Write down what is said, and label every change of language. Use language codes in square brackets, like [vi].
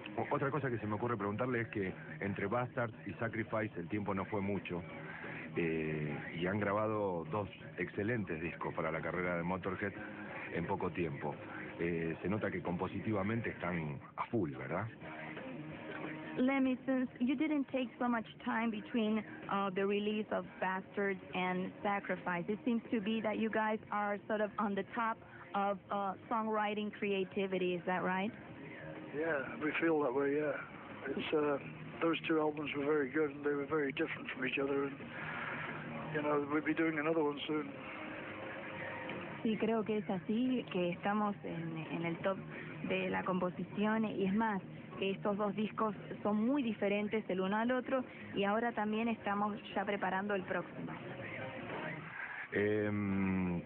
[es] Otra cosa que se me ocurre preguntarle es que entre Bastards y Sacrifice el tiempo no fue mucho y han grabado dos excelentes discos para la carrera de Motorhead en poco tiempo. Se nota que compositivamente están a full, ¿verdad? [en] Lemmy, since you didn't take so much time between the release of Bastards and Sacrifice, it seems to be that you guys are sort of on the top of songwriting creativity, is that right? Yeah, we feel that way, yeah. Those two albums were very good and they were very different from each other and, you know, we'll be doing another one soon. [es] Sí, creo que es así, que estamos en el top de la composición y es más, que estos dos discos son muy diferentes el uno al otro y ahora también estamos ya preparando el próximo.